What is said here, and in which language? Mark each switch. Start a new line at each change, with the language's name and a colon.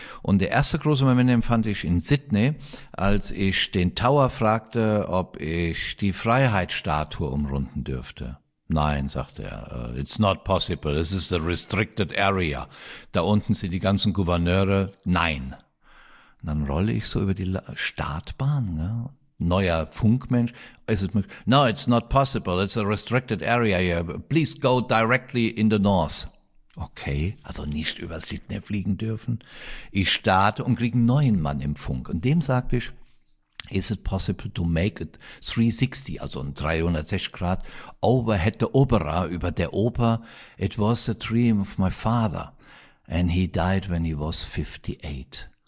German: Und der erste große Moment empfand ich in Sydney, als ich den Tower fragte, ob ich die Freiheitsstatue umrunden dürfte. Nein, sagte er,
English: it's not possible, this is a restricted area.
German: Da unten sind die ganzen Gouverneure, nein. Und dann rolle ich so über die Startbahn, ne? Neuer Funkmensch.
English: No, it's not possible, it's a restricted area here, please go directly in the north.
German: Okay, also nicht über Sydney fliegen dürfen. Ich starte und kriege einen neuen Mann im Funk. Und dem sagte ich,
English: is it possible to make it 360,
German: also ein 360 Grad
English: overhead the opera,
German: über der Oper.
English: It was a dream of my father and he died when he was 58.